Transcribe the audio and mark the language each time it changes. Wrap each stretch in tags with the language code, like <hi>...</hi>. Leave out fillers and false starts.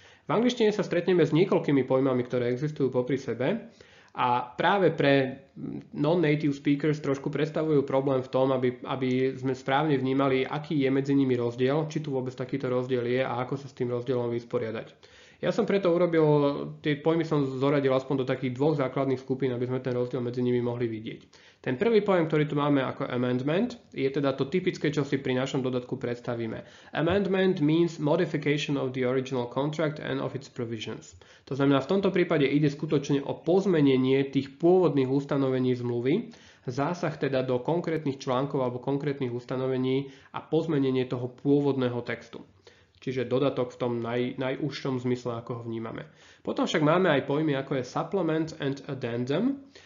<sk>V angličtine sa stretneme s niekoľkými pojmami, ktoré existujú popri sebe, a práve pre non-native speakers trošku predstavujú problém v tom, aby sme správne vnímali, aký je medzi nimi rozdiel, či tu vôbec takýto rozdiel je a ako sa s tým rozdielom vysporiadať. Ja som preto urobil, tie pojmy som zoradil aspoň do takých dvoch základných skupín, aby sme ten rozdiel medzi nimi mohli vidieť. Ten prvý pojem, ktorý tu máme ako amendment, je teda to typické, čo si pri našom dodatku predstavíme.</sk> <en>Amendment means modification of the original contract and of its provisions.</en> <sk>To znamená, v tomto prípade ide skutočne o pozmenenie tých pôvodných ustanovení zmluvy, zásah teda do konkrétnych článkov alebo konkrétnych ustanovení a pozmenenie toho pôvodného textu. Čiže dodatok v tom najúžšom zmysle, ako ho vnímame. Potom však máme aj pojmy, ako je supplement and addendum.</sk>